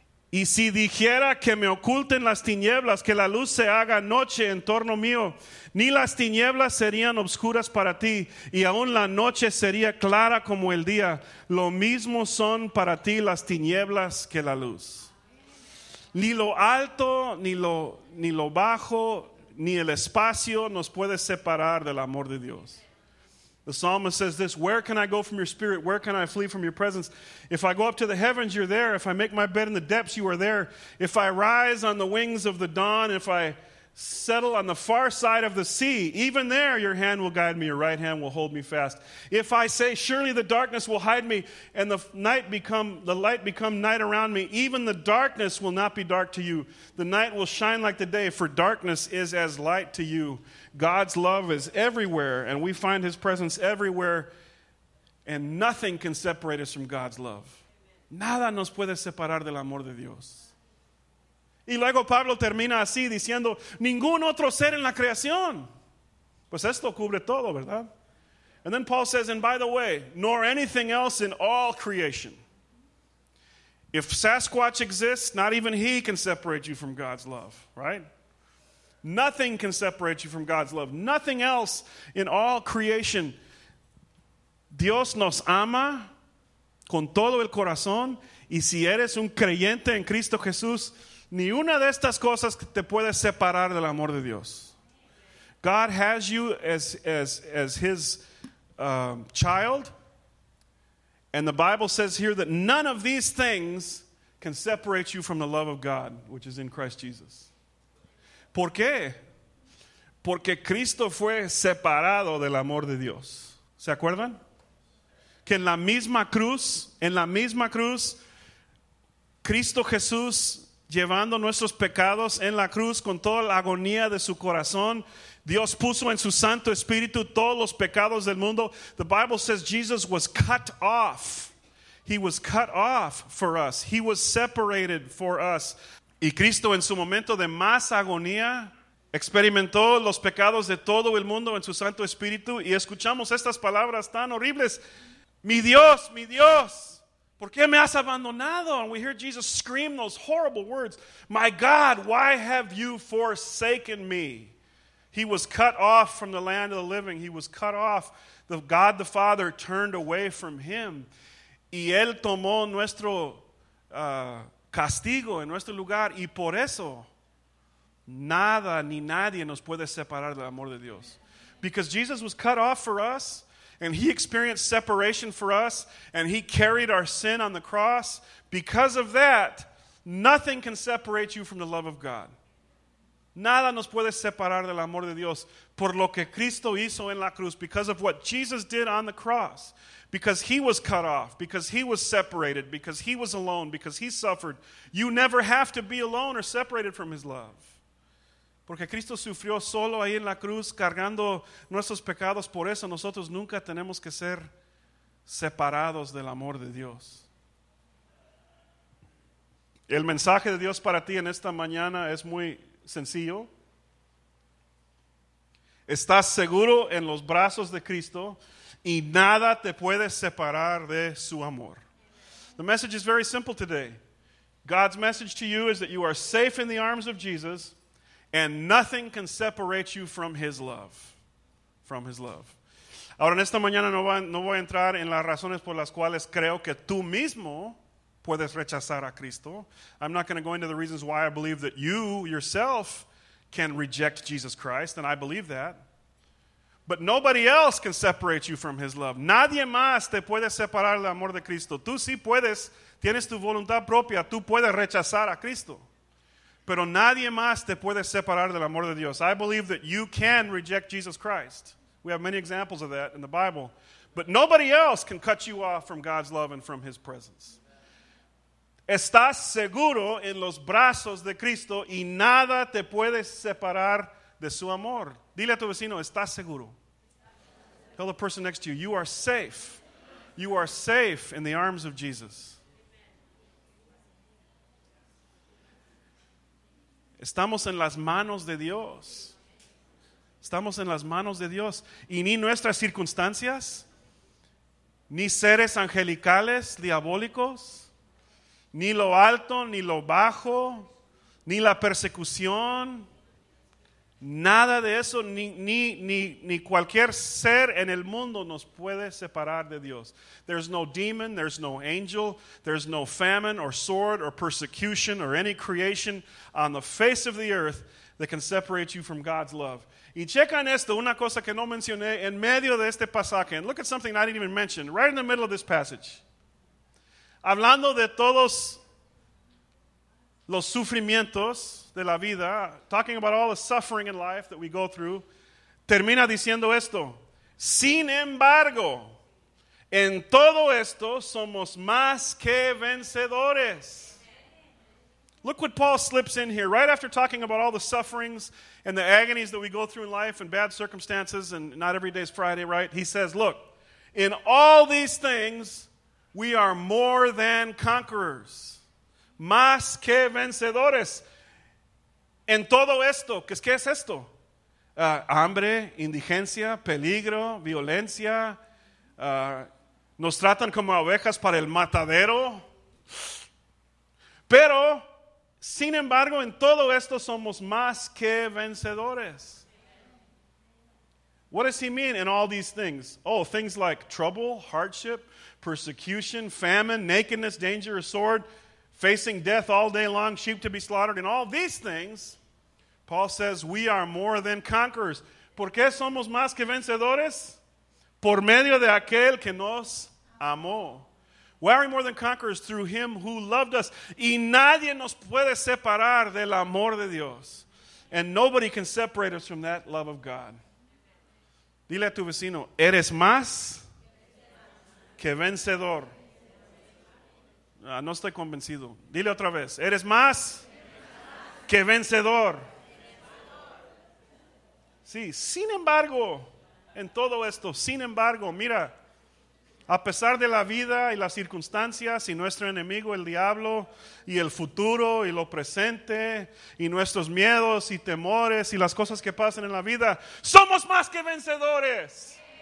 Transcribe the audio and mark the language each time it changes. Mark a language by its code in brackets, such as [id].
[es] Y si dijera que me oculten las tinieblas, que la luz se haga noche en torno mío, ni las tinieblas serían obscuras para ti, y aún la noche sería clara como el día. Lo mismo son para ti las tinieblas que la luz. Ni lo alto, ni lo bajo, ni el espacio nos puede separar del amor de Dios. [en] The psalmist says this, where can I go from your spirit? Where can I flee from your presence? If I go up to the heavens, you're there. If I make my bed in the depths, you are there. If I rise on the wings of the dawn, if I settle on the far side of the sea, even there your hand will guide me, your right hand will hold me fast. If I say, surely the darkness will hide me, and the light become night around me, even the darkness will not be dark to you. The night will shine like the day, for darkness is as light to you. God's love is everywhere, and we find his presence everywhere, and nothing can separate us from God's love. [es] Nada nos puede separar del amor de Dios. Y luego Pablo termina así diciendo, ningún otro ser en la creación. Pues esto cubre todo, ¿verdad? [en] And then Paul says, and by the way, nor anything else in all creation. If Sasquatch exists, not even he can separate you from God's love, right? Nothing can separate you from God's love. Nothing else in all creation. [es] Dios nos ama con todo el corazón. Y si eres un creyente en Cristo Jesús, ni una de estas cosas te puede separar del amor de Dios. [en] God has you as his child. And the Bible says here that none of these things can separate you from the love of God, which is in Christ Jesus. [es] ¿Por qué? Porque Cristo fue separado del amor de Dios. ¿Se acuerdan? Que en la misma cruz, Cristo Jesús llevando nuestros pecados en la cruz con toda la agonía de su corazón, Dios puso en su Santo Espíritu todos los pecados del mundo. [en] The Bible says Jesus was cut off. He was cut off for us. He was separated for us. [es] Y Cristo en su momento de más agonía experimentó los pecados de todo el mundo en su Santo Espíritu. Y escuchamos estas palabras tan horribles. Mi Dios, ¿por qué me has abandonado? [en] And we hear Jesus scream those horrible words. My God, why have you forsaken me? He was cut off from the land of the living. He was cut off. The God the Father turned away from him. [es] Y él tomó nuestro castigo en nuestro lugar. Y por eso, nada ni nadie nos puede separar del amor de Dios. [en] Because Jesus was cut off for us, and he experienced separation for us, and he carried our sin on the cross. Because of that, nothing can separate you from the love of God. [es] Nada nos puede separar del amor de Dios por lo que Cristo hizo en la cruz, [en] because of what Jesus did on the cross, because he was cut off, because he was separated, because he was alone, because he suffered. You never have to be alone or separated from his love. [es] Porque Cristo sufrió solo ahí en la cruz cargando nuestros pecados, por eso nosotros nunca tenemos que ser separados del amor de Dios. El mensaje de Dios para ti en esta mañana es muy sencillo. Estás seguro en los brazos de Cristo y nada te puede separar de su amor. [en] The message is very simple today. God's message to you is that you are safe in the arms of Jesus and nothing can separate you from his love. From his love. [es] Ahora en esta mañana no voy a entrar en las razones por las cuales creo que tú mismo puedes rechazar a Cristo. [en] I'm not going to go into the reasons why I believe that you yourself can reject Jesus Christ, and I believe that. But nobody else can separate you from his love. [es] Nadie más te puede separar del amor de Cristo. Tú sí puedes, tienes tu voluntad propia, tú puedes rechazar a Cristo. Pero nadie más te puede separar del amor de Dios. [en] I believe that you can reject Jesus Christ. We have many examples of that in the Bible. But nobody else can cut you off from God's love and from his presence. [es] Estás seguro en los brazos de Cristo y nada te puede separar de su amor. Dile a tu vecino, estás seguro. [en] Tell the person next to you, you are safe. You are safe in the arms of Jesus. [es] Estamos en las manos de Dios. Estamos en las manos de Dios. Y ni nuestras circunstancias, ni seres angelicales, diabólicos, ni lo alto, ni lo bajo, ni la persecución, nada de eso, ni cualquier ser en el mundo nos puede separar de Dios. [en] There's no demon, there's no angel, there's no famine or sword or persecution or any creation on the face of the earth that can separate you from God's love. [es] Y checa en esto, una cosa que no mencioné en medio de este pasaje. [en] And look at something I didn't even mention, right in the middle of this passage. [es] Hablando de todos los sufrimientos de la vida, [en] talking about all the suffering in life that we go through, [es] termina diciendo esto: sin embargo, en todo esto somos más que vencedores. [en] Look what Paul slips in here, right after talking about all the sufferings and the agonies that we go through in life and bad circumstances, and not every day is Friday, right? He says, look, in all these things, we are more than conquerors. [es] Más que vencedores. En todo esto. ¿Qué es esto? Hambre, indigencia, peligro, violencia. Nos tratan como ovejas para el matadero. Pero, sin embargo, en todo esto somos más que vencedores. [en] What does he mean in all these things? Oh, things like trouble, hardship, persecution, famine, nakedness, danger, a sword, facing death all day long, sheep to be slaughtered, and all these things, Paul says, we are more than conquerors. [es] ¿Por qué somos más que vencedores? Por medio de aquel que nos amó. [en] We are more than conquerors through him who loved us. [es] Y nadie nos puede separar del amor de Dios. [en] And nobody can separate us from that love of God. [es] Dile a tu vecino, eres más que vencedor. No estoy convencido. Dile otra vez, eres más que vencedor. Sí, sin embargo, en todo esto, sin embargo, mira, a pesar de la vida y las circunstancias y nuestro enemigo, el diablo, y el futuro y lo presente, y nuestros miedos y temores y las cosas que pasan en la vida, somos más que vencedores.